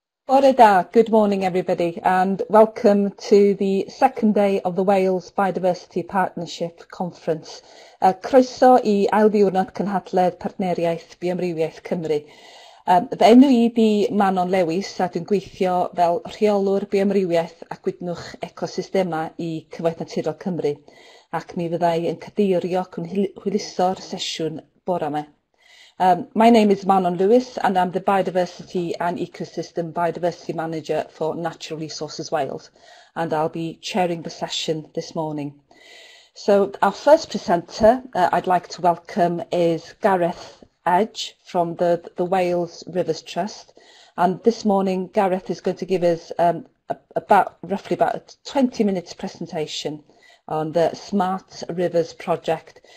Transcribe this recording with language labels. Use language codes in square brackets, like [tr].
[en] Orada, good morning, everybody, and welcome to the second day of the Wales Biodiversity Partnership Conference. [cy] Croeso I ail ddiwrnod cynhadledd partneriaeth biomrywiaeth Cymru. Fy enw i di Manon Lewis, a dwi'n gweithio fel rheolwr biomrywiaeth a gwydnwch ecosystemau i Cyfoeth Naturiol Cymru, ac mi fyddai yn cadeirio cwnhwyliso'r sesiwn bore yma. [en] My name is Manon Lewis, and I'm the Biodiversity and Ecosystem Biodiversity Manager for Natural Resources Wales, and I'll be chairing the session this morning. So our first presenter I'd like to welcome is Gareth Edge from the Wales Rivers Trust, and this morning Gareth is going to give us roughly about a 20-minute presentation on the Smart Rivers project.